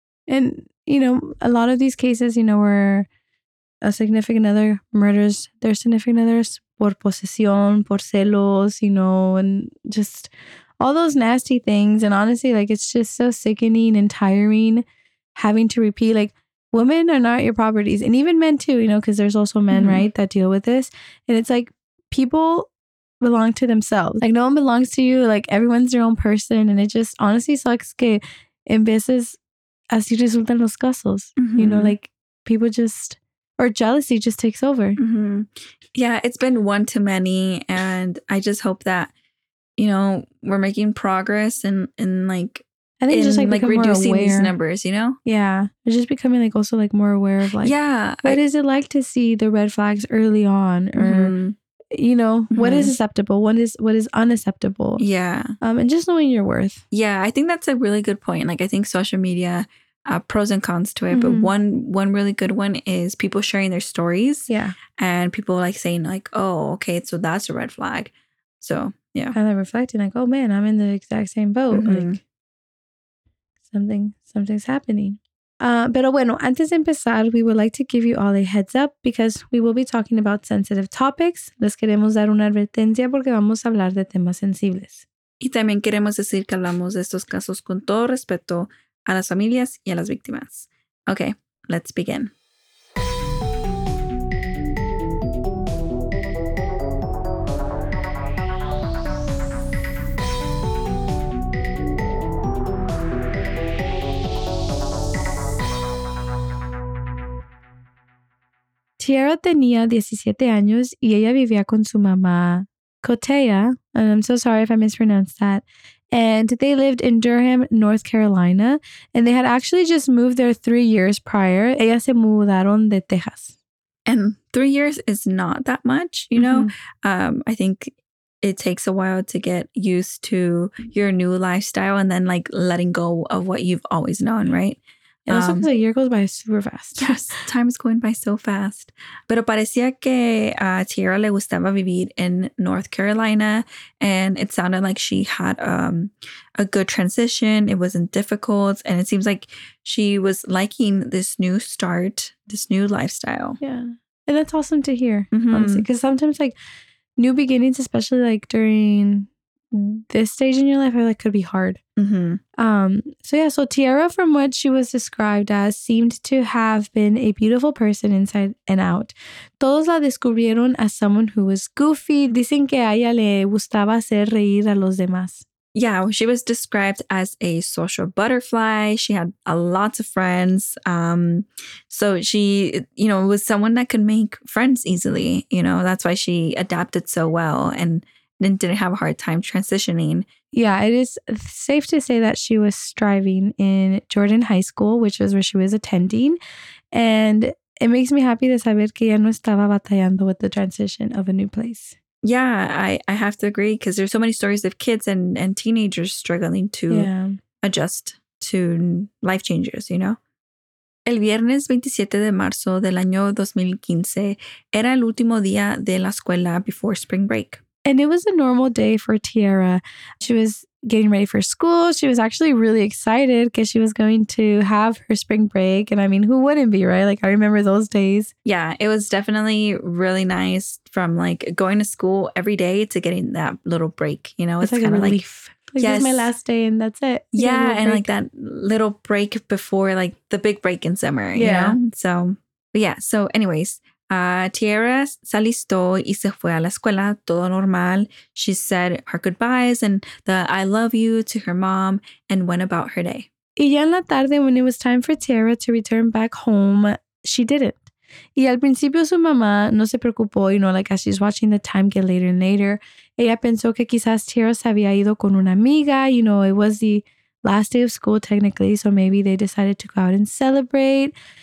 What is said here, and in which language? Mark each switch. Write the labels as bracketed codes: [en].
[en] And, you know, a lot of these cases, you know, where a significant other murders their significant others [es] por posesión, por celos, [en] you know, and just all those nasty things. And honestly, like, it's just so sickening and tiring having to repeat, like, women are not your properties. And even men too, you know, because there's also men, mm-hmm. right, that deal with this. And it's like, people belong to themselves. Like, no one belongs to you. Like, everyone's their own person. And it just honestly sucks [es] que en veces así resultan los casos. [en] Mm-hmm. You know, like, people just, or jealousy just takes over. Mm-hmm. Yeah, it's been one too many. And I just hope that, you know, we're making progress and like, I think just like reducing these numbers, you know? Yeah. It's just becoming like also like more aware of like, yeah, what is it like to see the red flags early on, or, mm-hmm. you know, mm-hmm. what is acceptable? What is unacceptable? Yeah. And just knowing your worth. Yeah. I think that's a really good point. Like, I think social media, pros and cons to it, mm-hmm. but one really good one is people sharing their stories. Yeah. And people like saying like, oh, okay, so that's a red flag. So, yeah. Kind of reflecting like, oh man, I'm in the exact same boat. Mm-hmm. Like, something's happening. [es] Pero bueno, antes de empezar, [en] we would like to give you all a heads up because we will be talking about sensitive topics. [es] Les queremos dar una advertencia porque vamos a hablar de temas sensibles. Y también queremos decir que hablamos de estos casos con todo respeto a las familias y a las víctimas. [en] Okay, let's begin. [es] Tierra tenía 17 años y ella vivía con su mamá, Cotea, [en] and I'm so sorry if I mispronounced that, and they lived in Durham, North Carolina, and they had actually just moved there 3 years prior. [es] Ella se mudaron de Texas. [en] And 3 years is not that much, you know? Mm-hmm. I think it takes a while to get used to your new lifestyle and then like letting go of what you've always known, right? It also feels like a year goes by super fast. Yes, time is going by so fast. [es] Pero parecía que a Tierra le gustaba vivir in North Carolina. [en] And it sounded like she had a good transition. It wasn't difficult. And it seems like she was liking this new start, this new lifestyle. Yeah. And that's awesome to hear, mm-hmm. honestly. Because sometimes like new beginnings, especially like during this stage in your life, I feel like could be hard. Mm-hmm. So Tierra, from what she was described as, seemed to have been a beautiful person inside and out. [es] Todos la descubrieron [en] as someone who was goofy. [es] Dicen que a ella le gustaba hacer reír a los demás. [en] Yeah, she was described as a social butterfly. She had lots of friends. So she, you know, was someone that could make friends easily. You know, that's why she adapted so well and didn't have a hard time transitioning. Yeah, it is safe to say that she was striving in Jordan High School, which was where she was attending. And it makes me happy to [es] saber que ya no estaba batallando [en] with the transition of a new place. Yeah, I have to agree because there's so many stories of kids and teenagers struggling to adjust to life changes, you know? [es] El viernes 27 de marzo del año 2015 era el último día de la escuela [en] before spring break. And it was a normal day for Tierra. She was getting ready for school. She was actually really excited because she was going to have her spring break. And I mean, who wouldn't be, right? Like, I remember those days. Yeah, it was definitely really nice from like going to school every day to getting that little break. You know, it's kind of like, relief. Like, yes, this is my last day and that's it. You yeah, and break. Like that little break before like the big break in summer. Yeah. You know? So, but yeah. So anyways, [es] Tierra se alistó y se fue a la escuela, todo normal. [en] She said her goodbyes and the I love you to her mom and went about her day. [es] Y ya en la tarde, [en] when it was time for Tierra to return back home, she didn't. [es] Y al principio su mamá no se preocupó, [en] you know, like as she's watching the time get later and later. [es] Ella pensó que quizás Tierra se había ido con una amiga, [en] you know, it was the last day of school technically, so maybe they decided to go out and celebrate.